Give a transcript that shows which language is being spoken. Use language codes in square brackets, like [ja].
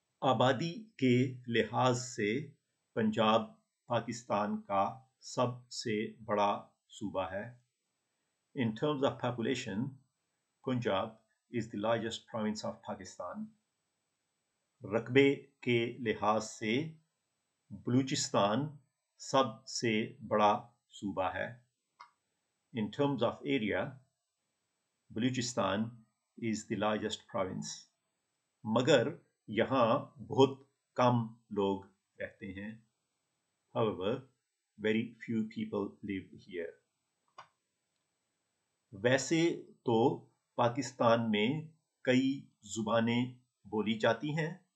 [ur] آبادی کے لحاظ سے پنجاب پاکستان کا سب سے بڑا صوبہ ہے. [en] In terms of population, Punjab is the largest province of Pakistan. [ur] رقبے کے لحاظ سے بلوچستان سب سے بڑا صوبہ ہے. [en] In terms of area, Baluchistan is the largest province. [ur] مگر یہاں بہت کم لوگ رہتے ہیں. [en] However, very few people live here. [ur] ویسے تو پاکستان میں کئی زبانیں بولی جاتی ہیں.